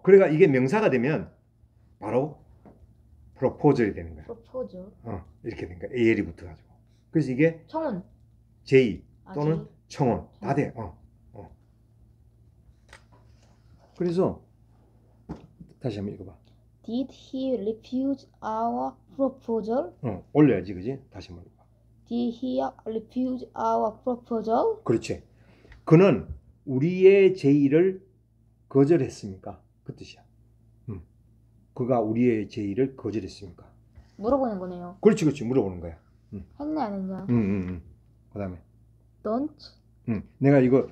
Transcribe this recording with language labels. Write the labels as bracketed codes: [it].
[ko] 그러니까 이게 명사가 되면 바로 프로포즈가 되는 거야. 프로포즈. 이렇게 되니까 AL이 붙어 가지고. 그래서 이게 청혼. 제의 아, 또는 제이. 청혼 다 돼. 그래서 다시 한번 읽어봐. [en] Did he refuse our proposal? [ko] 올려야지, 그지? 다시 한번 [en] Did he refuse our proposal? [ko] 읽어봐. 그렇지. 그는 우리의 제의를 거절했습니까? 그 뜻이야. 그가 우리의 제의를 거절했습니까? 물어보는 거네요. 그렇지. 물어보는 거야. 했네, 아니냐? 그다음에. [en] Don't. [ko] 내가 이거